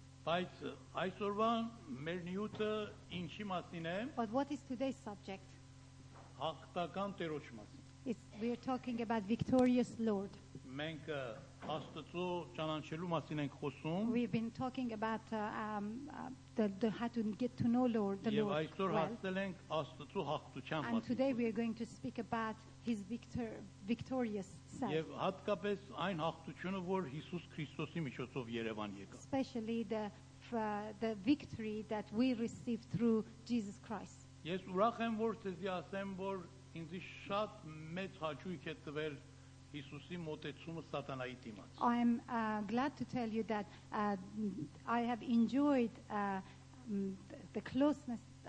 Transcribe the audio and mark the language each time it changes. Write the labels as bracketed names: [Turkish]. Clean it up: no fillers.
[Armenian] Այսօրվա մեր նյութը ինչի մասին է? [English] But what is today's subject? [Armenian] Հաղթական Տերոջ մասին. [English] We are talking about victorious Lord. [Armenian] Մենք Աստծո ճանաչելու մասին ենք խոսում. [English] We've been talking about the how to get to know Lord, the Lord. [Armenian] Եվ այսօր հասել ենք Աստծո հաղթության մասին. [English] And today we are going to speak about His victorious self. [Armenian] Եվ հատկապես այն հաղթությունը, որ Հիսուս Քրիստոսի միջոցով Երևան եկավ. [English] Especially the victory that we received through Jesus Christ. [Armenian] Ես ուրախ եմ, որ ձեզի ասեմ, որ ինձ շատ մեծ հաճույք է տվել Հիսուսի մոտեցումը Սատանայի դիմաց. [English] I'm glad to tell you that I have enjoyed the closeness